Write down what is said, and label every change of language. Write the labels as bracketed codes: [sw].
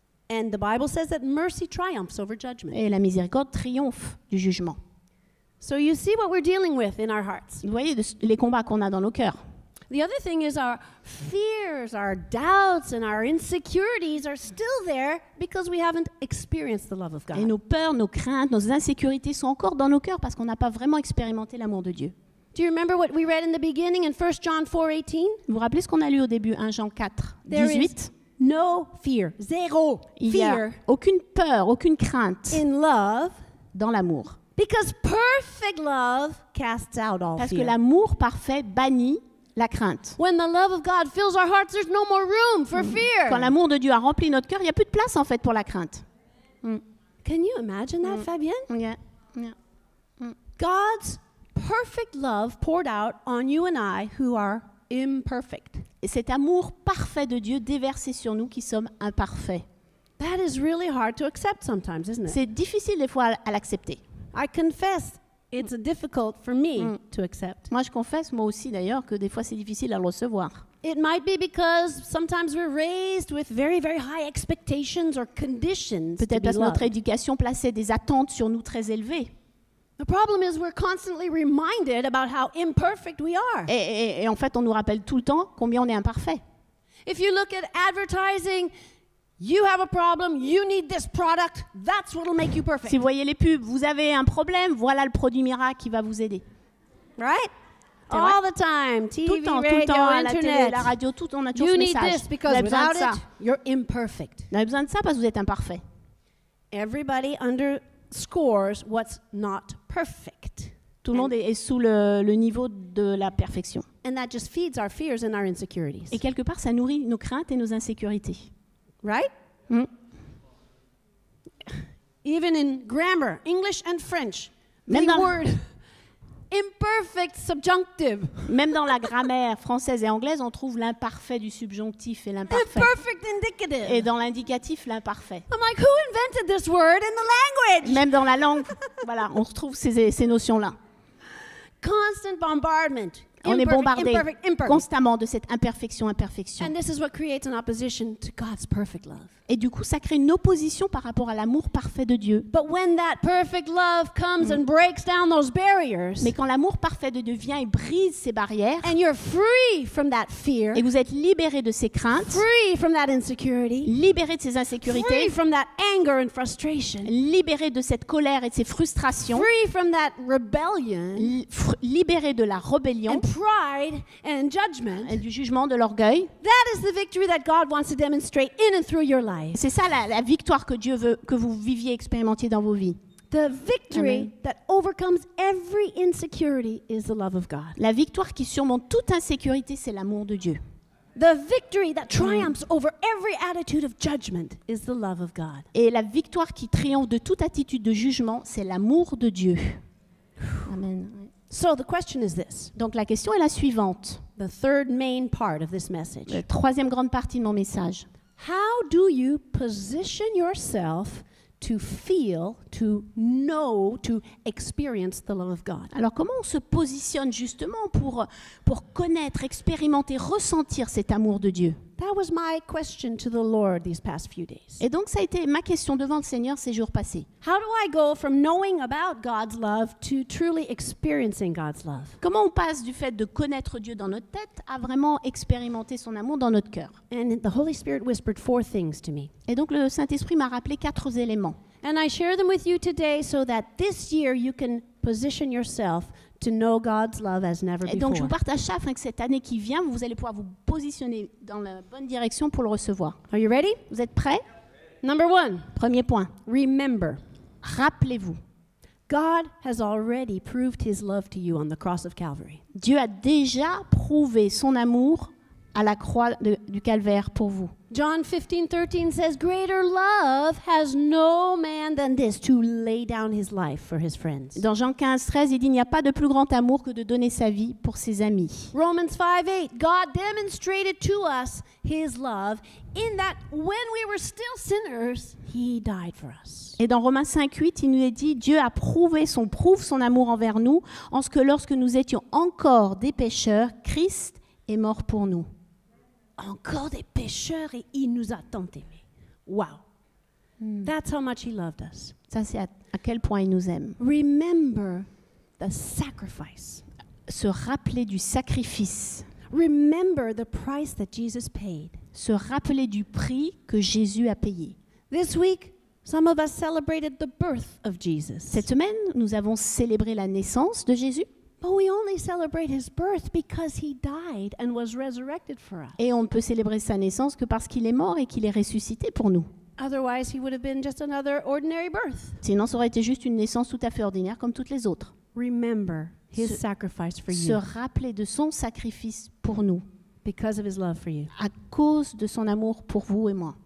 [en] And the Bible says that mercy triumphs over judgment. [fr] Et la miséricorde triomphe du jugement. [en] So you see what we're dealing with in our hearts. [fr] Vous voyez les combats qu'on a dans nos cœurs. [en] The other thing is our fears, our doubts and our insecurities are still there because we haven't experienced the love of God. [fr] Et nos peurs, nos craintes, nos insécurités sont encore dans nos cœurs parce qu'on n'a pas vraiment expérimenté l'amour de Dieu. [en] Do you remember what we read in the beginning in 1 John 4:18? [fr] Vous vous rappelez ce qu'on a lu au début 1 Jean 4:18? [en] No fear, zéro fear. [fr] Il n'y a aucune peur, aucune crainte. [en] In love, [fr] dans l'amour. [en] Because perfect love casts out all [fr] Parce que l'amour parfait bannit la crainte. [en] When the love of God fills our hearts, there's no more room for fear. [fr] Quand l'amour de Dieu a rempli notre cœur, il n'y a plus de place en fait pour la crainte. [en] Can you imagine that, Fabienne? Yeah. Yeah. God's perfect love poured out on you and I who are imperfect. [fr] Et cet amour parfait de Dieu déversé sur nous qui sommes imparfaits. [en] That is really hard to accept sometimes, isn't it? [fr] C'est difficile des fois à l'accepter. [en] I confess, It's difficult for me to accept. [fr] Moi, je confesse, moi aussi d'ailleurs, que des fois c'est difficile à le recevoir. [en] It might be because sometimes we're raised with very, very high expectations or conditions. [fr] Peut-être parce que notre éducation plaçait des attentes sur nous très élevées. [en] The problem is we're constantly reminded about how imperfect we are. [fr] Et en fait, on nous rappelle tout le temps combien on est imparfait. [en] If you look at advertising, you have a problem, you need this product, that's what'll make you perfect. [fr] Si vous voyez les pubs, vous avez un problème, voilà le produit miracle qui va vous aider. [en] Right? All the time, TV, [fr] tout le temps, tout le temps, [en] internet. [fr] La télé, la radio, tout, on a toujours [en] you [fr] ce [en] need [fr] message. [en] This because [fr] vous avez besoin de ça. [en] You're imperfect. [fr] Vous avez besoin de ça parce que vous êtes imparfait. [en] Everybody underscores what's not perfect. [fr] Tout le monde est sous le niveau de la perfection. [en] And that just feeds our fears and our insecurities. [fr] Et quelque part, ça nourrit nos craintes et nos insécurités. [en] Right? Mm. Even in grammar, English and French, word imperfect subjunctive. [fr] Même dans la grammaire française et anglaise, on trouve l'imparfait du subjonctif et l'imparfait. [en] Imperfect indicative. [fr] Et dans l'indicatif, l'imparfait. [en] I'm like, who invented this word in the language? [fr] Même dans la langue, voilà, on retrouve ces notions-là. [en] Constant bombardment. [fr] On est bombardé constamment de cette imperfection, imperfection. [en] And this is what creates an opposition to God's perfect love. [fr] Et du coup, ça crée une opposition par rapport à l'amour parfait de Dieu. [en] But when that perfect love comes and breaks down those barriers, [fr] mais quand l'amour parfait de Dieu vient et brise ces barrières, [en] and you're free from that fear, [fr] et vous êtes libéré de ces craintes, [en] free from that insecurity, [fr] libéré de ces insécurités, [en] free from that anger and frustration, [fr] libéré de cette colère et de ces frustrations, [en] free from that rebellion, [fr] libéré de la rébellion, [en] pride and judgment, [fr] et du jugement, de l'orgueil. [en] That is the victory that God wants to demonstrate in and through your life. [fr] C'est ça la victoire que Dieu veut que vous viviez, expérimentiez dans vos vies. [en] The victory that overcomes every insecurity is the love of God. [fr] La victoire qui surmonte toute insécurité, c'est l'amour de Dieu. [en] The victory that triumphs over every attitude of judgment is the love of God. [fr] Et la victoire qui triomphe de toute attitude de jugement, c'est l'amour de Dieu. [en] Amen. So the question is this. [fr] Donc la question est la suivante. [en] The third main part of this message. [fr] La troisième grande partie de mon message. [en] How do you position yourself to feel, to know, to experience the love of God? [fr] Alors comment on se positionne justement pour connaître, expérimenter, ressentir cet amour de Dieu? [en] That was my question to the Lord these past few days. [fr] Et donc ça a été ma question devant le Seigneur ces jours passés. [en] How do I go from knowing about God's love to truly experiencing God's love? [fr] Comment on passe du fait de connaître Dieu dans notre tête à vraiment expérimenter son amour dans notre cœur? [en] And the Holy Spirit whispered four things to me. [fr] Et donc le Saint-Esprit m'a rappelé quatre éléments. [en] And I share them with you today so that this year you can position yourself to know God's love as never before. [fr] Et donc je vous partage ça afin que cette année qui vient, vous allez pouvoir vous positionner dans la bonne direction pour le recevoir. [en] Are you ready? [fr] Vous êtes prêts? [en] Number one. [fr] Premier point. [en] Remember. [fr] Rappelez-vous. [en] God has already proved his love to you on the cross of Calvary. [fr] Dieu a déjà prouvé son amour à la croix du calvaire pour vous. [en] John 15:13 says greater love has no man than this to lay down his life for his friends. [fr] Dans Jean 15:13, il dit il n'y a pas de plus grand amour que de donner sa vie pour ses amis. [en] Romans 5:8, God demonstrated to us his love in that when we were still sinners, he died for us. [fr] Et dans Romains 5:8, il nous est dit Dieu a prouvé son amour envers nous en ce que lorsque nous étions encore des pécheurs, Christ est mort pour nous. Encore des pécheurs et il nous a tant aimés. [en] Wow. That's how much he loved us. [fr] Ça, c'est à quel point il nous aime. [en] Remember the sacrifice. [fr] Se rappeler du sacrifice. [en] Remember the price that Jesus paid. [fr] Se rappeler du prix que Jésus a payé. [en] This week, some of us celebrated the birth of Jesus. [fr] Cette semaine, nous avons célébré la naissance de Jésus. [en] But we only celebrate his birth because he died and was resurrected for us. [fr] Et on ne peut célébrer sa naissance que parce qu'il est mort et qu'il est ressuscité pour nous. [en] Otherwise, he would have been just another ordinary birth. [fr] Sinon, ça aurait été juste une naissance tout à fait ordinaire comme toutes les autres. [en] Remember his sacrifice for you. [fr] Se rappeler de son sacrifice pour nous. [en] Because of his love for you. [fr] À cause de son amour pour vous et moi.